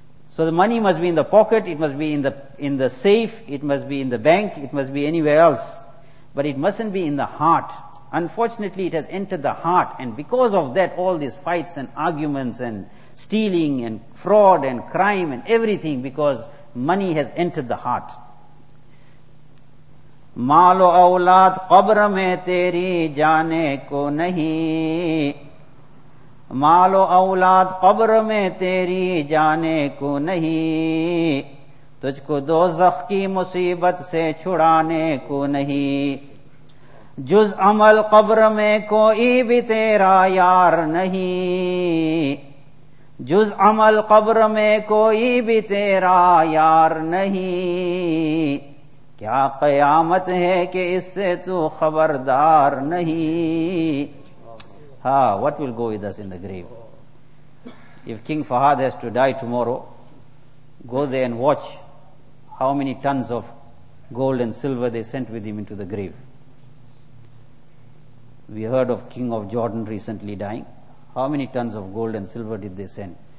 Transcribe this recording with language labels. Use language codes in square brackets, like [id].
[en] So the money must be in the pocket, it must be in the safe, it must be in the bank, it must be anywhere else. But it mustn't be in the heart. Unfortunately, it has entered the heart, and because of that, all these fights and arguments and stealing and fraud and crime and everything, because money has entered the heart. [ur] مال و اولاد قبر میں تیری جانے کو نہیں، مال و اولاد قبر میں تیری جانے کو نہیں، تجھ کو دوزخ کی مصیبت سے چھڑانے کو نہیں، جز عمل قبر میں کوئی بھی تیرا یار نہیں، جز عمل قبر میں کوئی بھی تیرا یار نہیں، کیا قیامت ہے کہ اس سے تو خبردار نہیں. [en] Ha, what will go with us in the grave? If King Fahad has to die tomorrow, go there and watch how many tons of gold and silver they sent with him into the grave. We heard of King of Jordan recently dying. How many tons of gold and silver did they send?